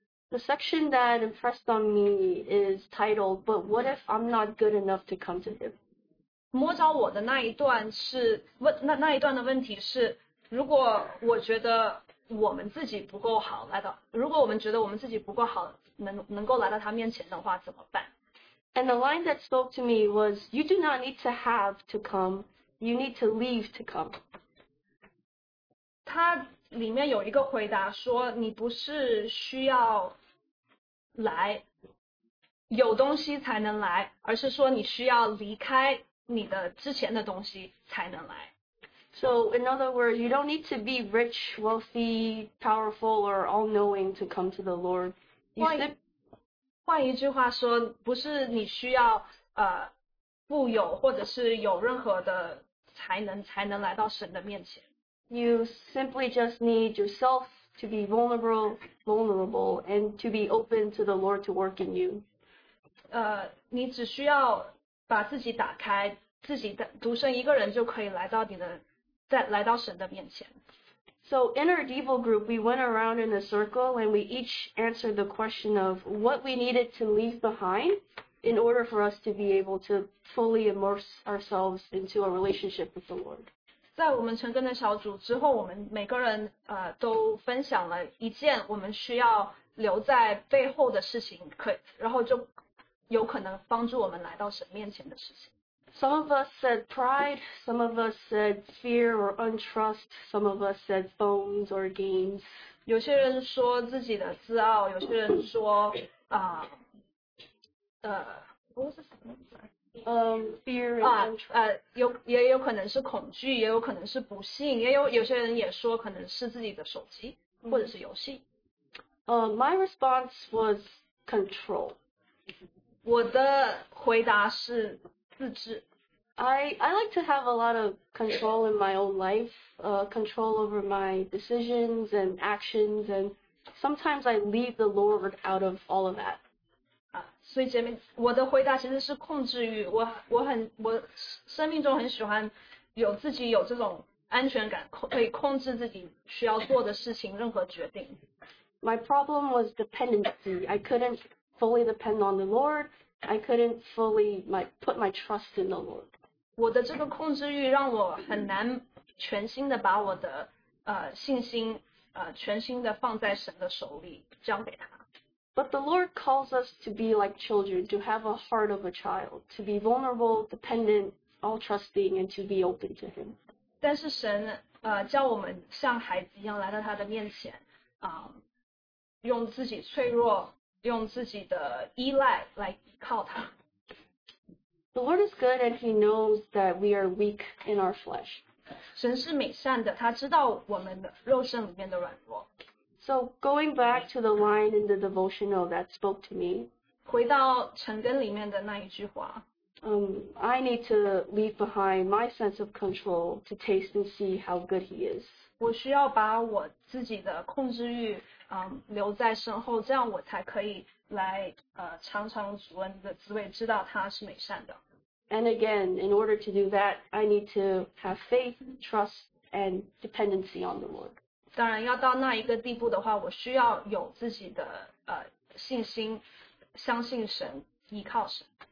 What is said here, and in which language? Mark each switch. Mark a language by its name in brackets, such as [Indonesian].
[English] The section that impressed on me is titled, But What If I'm Not Good Enough to Come to Him? [Chinese] 摸着我的那一段的问题是，如果我觉得我们自己不够好来到，如果我们觉得我们自己不够好能够来到他面前的话怎么办？ [English] And the line that spoke to me was, You do not need to have to come, you need to leave to come. [Chinese] 他里面有一个回答说，你不是需要来，有东西才能来，而是说你需要离开你的之前的东西才能来。 [English] So in other words, you don't need to be rich, wealthy, powerful, or all-knowing to come to the Lord. You, [Chinese] 换一句话说，不是你需要富有或者是有任何的才能才能来到神的面前。 [English] You simply just need yourself to be vulnerable and to be open to the Lord to work in you. [Chinese] 你只需要把自己打开，自己独身一个人就可以来到你的，在来到神的面前。 [English] So in our devo group, we went around in a circle and we each answered the question of what we needed to leave behind in order for us to be able to fully immerse ourselves into a relationship with the Lord. [Chinese] 在我们成根的小组之后，我们每个人都分享了一件我们需要留在背后的事情，然后就有可能帮助我们来到神面前的事情。 [English] Some of us said pride, some of us said fear or untrust, some of us said bones or games. [Chinese] 有些人说自己的自傲，有些人说 [English] fear and untrust. [Chinese] 也有可能是恐惧，也有可能是不幸，也有些人也说可能是自己的手机或者是游戏。 [English] My response was control. [Chinese] 我的回答是自制。 [English] I like to have a lot of control in my own life, control over my decisions and actions, and sometimes I leave the Lord out of all of that. [Chinese] 所以姐妹，我的回答其实是控制欲。我生命中很喜欢有自己有这种安全感，可以控制自己需要做的事情，任何决定。 [English] My problem was dependency. I couldn't fully depend on the Lord. I couldn't fully put my trust in the Lord. [Chinese] 我的这个控制欲让我很难全心的把我的信心全心的放在神的手里，交给他。 [English] But the Lord calls us to be like children, to have a heart of a child, to be vulnerable, dependent, all trusting, and to be open to Him. [Chinese] 但是神叫我们像孩子一样来到他的面前，用自己脆弱，用自己的依赖来依靠他。 [English] The Lord is good, and He knows that we are weak in our flesh. [Chinese] 神是美善的，他知道我们肉身里面的软弱。 [English] So going back to the line in the devotional that spoke to me, [Chinese] 回到成根里面的那一句话, [English] I need to leave behind my sense of control to taste and see how good He is. [Chinese] 我需要把我自己的控制欲留在身后，这样我才可以来尝尝主恩的滋味，知道他是美善的。 [English] And again, in order to do that, I need to have faith, trust, and dependency on the Lord. [Chinese] 当然要到那一个地步的话，我需要有自己的信心，相信神，依靠神。